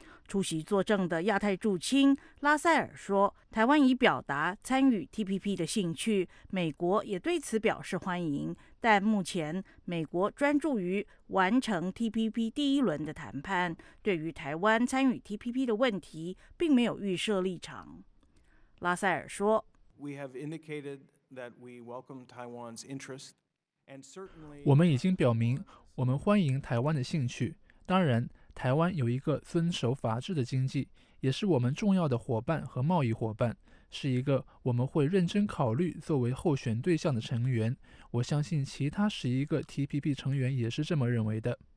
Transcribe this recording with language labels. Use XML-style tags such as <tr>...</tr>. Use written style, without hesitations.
<zh>出席作证的亚太驻卿拉塞尔说，台湾已表达参与 TPP 的兴趣，美国也对此表示欢迎，但目前美国专注于完成 TPP 第一轮的谈判，对于台湾参与 TPP 的问题并没有预设立场。拉塞尔说，</zh> <en>We have indicated that we welcome Taiwan's interest, and certainly</en> <zh>我们已经表明我们欢迎台湾的兴趣，当然台湾有一个遵守法治的经济，也是我们重要的伙伴和贸易伙伴，是一个我们会认真考虑作为候选对象的成员。我相信其他11个 TPP 成员也是这么认为的。</zh>